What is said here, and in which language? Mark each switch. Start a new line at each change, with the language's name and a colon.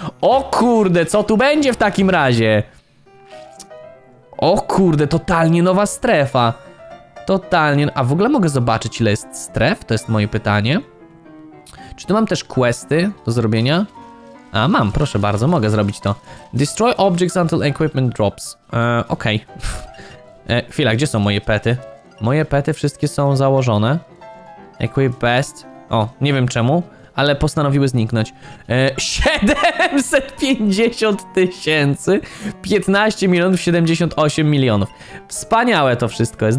Polish: O kurde, co tu będzie w takim razie? O kurde, totalnie nowa strefa. Totalnie. A w ogóle mogę zobaczyć, ile jest stref? To jest moje pytanie. Czy tu mam też questy do zrobienia? A, mam, proszę bardzo, mogę zrobić to.
English: Destroy objects until equipment drops.
Polish: Okej. Chwila, gdzie są moje pety? Moje pety wszystkie są założone. Equip best. O, nie wiem czemu, ale postanowiły zniknąć. 750 tysięcy! 15 milionów 78 milionów. Wspaniałe to wszystko jest.